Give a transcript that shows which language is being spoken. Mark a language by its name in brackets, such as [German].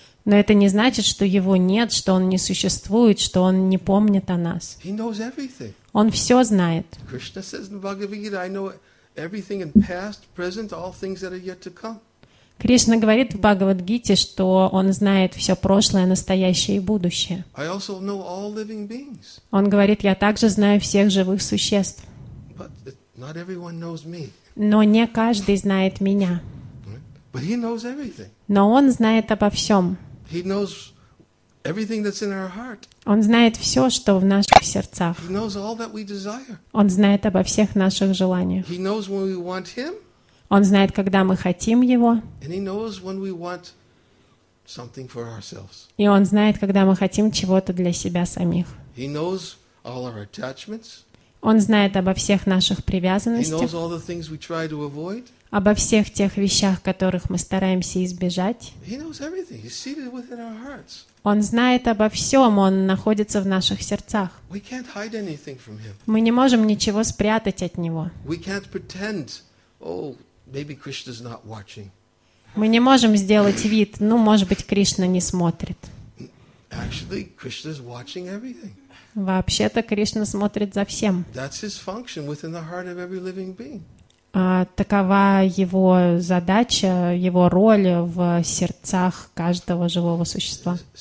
[Russian] Но это не значит, что его нет, что он не существует, что он не помнит о нас. [English] He knows everything. [Russian] Он все знает. [English] Krishna says in Bhagavad Gita, I know everything in past, present, all things that are yet to come. [Russian] Кришна говорит в Бхагавад-гите, что он знает все прошлое, настоящее и будущее. [English] I also know all living beings. [Russian] Он говорит, я также знаю всех живых существ. [English] But not everyone knows me. [Russian] Но не каждый знает меня. [English] But he knows everything. [Russian] Но он знает обо всем. [English] He knows everything that's in our heart. [Russian] Он знает все, что в наших сердцах. [English] He knows all that we desire. [Russian] Он знает обо всех наших желаниях. [English] He knows when we want him. [Russian] Он знает, когда мы хотим его. [English] And he knows when we want something for ourselves. [Russian] И он знает, когда мы хотим чего-то для себя самих. [English] He knows all our attachments. [Russian] Он знает обо всех наших привязанностях. [English] He knows all the things we try to avoid. [Russian] Обо всех тех вещах, которых мы стараемся избежать. [English] He knows everything. He's seated within our hearts. [Russian] Он знает обо всем, он находится в наших сердцах. [English] We can't hide anything from him. [Russian] Мы не можем ничего спрятать от него. [English] We can't pretend, oh, maybe Krishna's not watching. [Russian] Мы не можем сделать вид, ну, может быть, Кришна не смотрит. [English] Actually, Krishna's watching everything. [Russian] Вообще-то Кришна смотрит за всем. [English] That's his function within the heart of every living being. [Russian] Такова его задача, его роль в сердцах каждого живого существа.